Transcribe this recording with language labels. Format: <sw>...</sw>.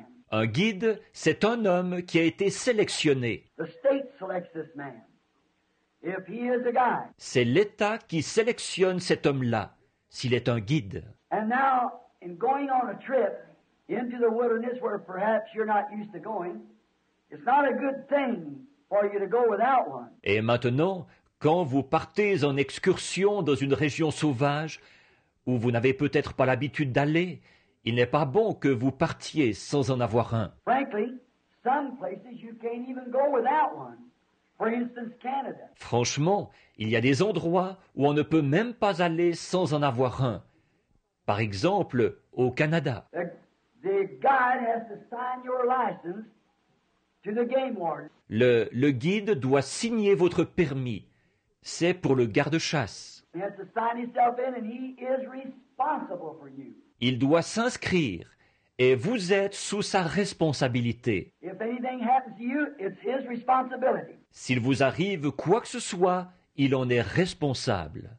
<fr>Un guide, c'est un homme qui a été sélectionné. L'État sélectionne cet homme.</fr> <en>If he is a guide.</en> <fr>C'est l'État qui sélectionne cet homme-là, s'il est un guide.</fr> <en>And now, in going on a trip into the wilderness where perhaps you're not used to going, it's not a good thing for you to go without one.</en> <fr>Et maintenant, quand vous partez en excursion dans une région sauvage où vous n'avez peut-être pas l'habitude d'aller, il n'est pas bon que vous partiez sans en avoir un.</fr> <en>Frankly, some places you can't even go without one. For instance, Canada.</en> <fr>Franchement, il y a des endroits où on ne peut même pas aller sans en avoir un. Par exemple, au Canada.</fr> <en>The guide has to sign your license to the game warden.</en> <fr>Le guide doit signer votre permis. C'est pour le garde-chasse.</fr> <en>He has to sign himself in and he is responsible for you.</en> <fr>Il doit s'inscrire et vous êtes sous sa responsabilité.</fr> <en>If anything happens to you, it's his responsibility.</en> <fr>S'il vous arrive quoi que ce soit, il en est responsable.</fr>